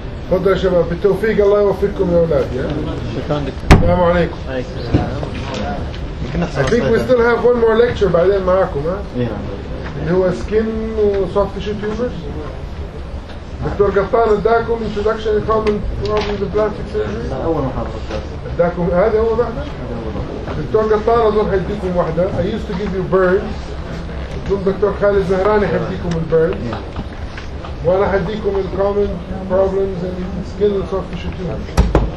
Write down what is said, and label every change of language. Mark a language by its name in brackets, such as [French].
[Arabic] تفضل يا شباب بالتوفيق الله يوفقكم يا اولادي شكرا لكم السلام عليكم وعليكم السلام [English] I think we still have one more lecture [Arabic] بعدين معاكم ها اللي هو [English] skin soft tissue tumors [Arabic] دكتور قطان اداكم [English] introduction from the plastic surgery [Arabic] اول محاضرة اداكم هذه اول محاضرة دكتور قطان اظن حيديكم واحدة [English] I used to give you burns [Arabic] اظن دكتور خالد زهراني حيديكم البيرنز وانا حديكم [English] الكومن problems in سكيل soft tissue tumors